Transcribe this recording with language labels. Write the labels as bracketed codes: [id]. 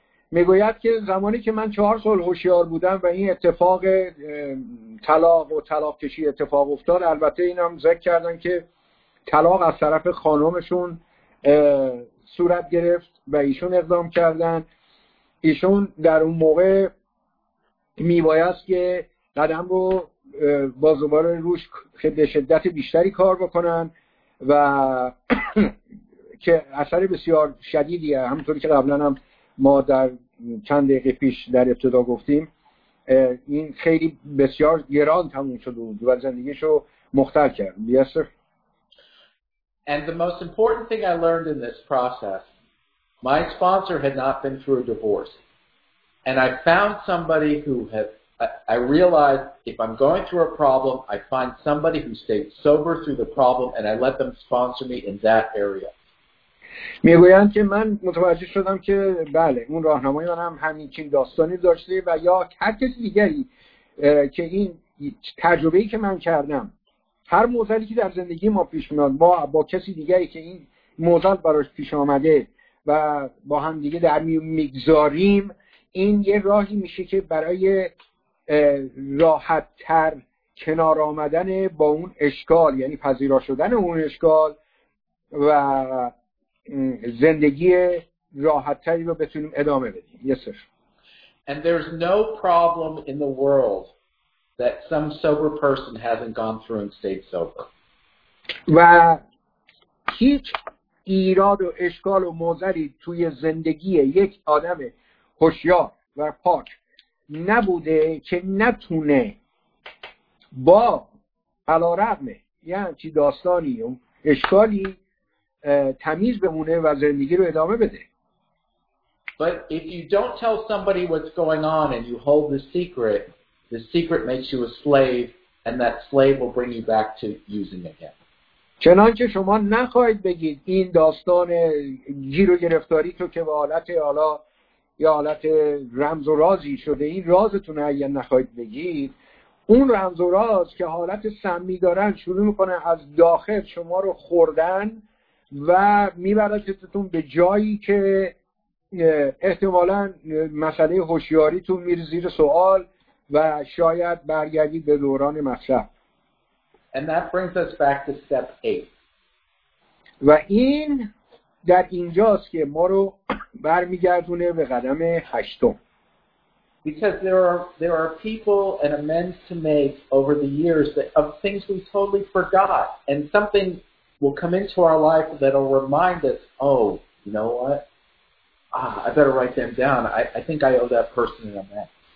[fa] میگوید که زمانی که من 4 سال هوشیار بودم و این اتفاق طلاق و طلاق کشی اتفاق افتاد، البته اینم ذکر کردن که طلاق از طرف خانومشون صورت گرفت و ایشون اقدام کردن، ایشون در اون موقع میبایست که قدم رو باز دوباره روش به شدت بیشتری کار بکنن و که اثر بسیار شدیدیه، همونطوری که قبلا هم ما در چند دقیقه پیش در ابتدا گفتیم، این خیلی بسیار گران تموم شد و دوباره زندگیشو مختل کرد. [en] Yes, sir. And the most important thing I learned in this process, my sponsor had not been through a divorce. And I found somebody who had, I realized if I'm going through a problem, I find somebody who stayed sober through the problem and I let them sponsor me in that area. [fa] میگویند که من متوجه شدم که بله، اون راهنمای من هم همین چنین داستانی داشته و یا هر کسی دیگری که این تجربه‌ای که من کردم، هر موزلی که در زندگی ما پیش میاد، ما با کسی دیگری که این موزل براش پیش آمده و با هم دیگه در میگذاریم، این یه راهی میشه که برای راحت تر کنار آمدن با اون اشکال، یعنی پذیرا شدن اون اشکال و زندگی راحت تری رو بتونیم ادامه بدیم. [en] Yes, sir. And there's no problem in the world that some sober person hasn't gone through and stayed sober. [fa] و هیچ ایراد و اشکال و موزری توی زندگی یک آدم هوشیار و پاک نبوده که نتونه با علارغم یه همچی داستانی و اشکالی تمیز بمونه و زندگی رو ادامه بده. [en] But if you don't tell somebody what's going on and you hold the secret makes you a slave and that slave will bring you back to using again. [fa] چنانچه شما نخواهید بگید این داستان گیر و گرفتاری تو که به حالت حالا یه حالت رمز و رازی شده، این رازتون رو اگه نخواهید بگید، اون رمز و راز که حالت سمی دارن شروع میکنه از داخل شما رو خوردن و میبردتتون به جایی که احتمالا مسئله هوشیاریتون میره زیر سوال و شاید برگردید به دوران مصرف. [en] And that brings us back to step 8. [fa] و این در اینجاست که ما رو برمیگردونه به قدم هشتم. [en] Because there are people and amends to make over the years that of things we totally forgot, and something will come into our life that'll remind us, oh, you know what? I better write them down. I think I owe that person an amend.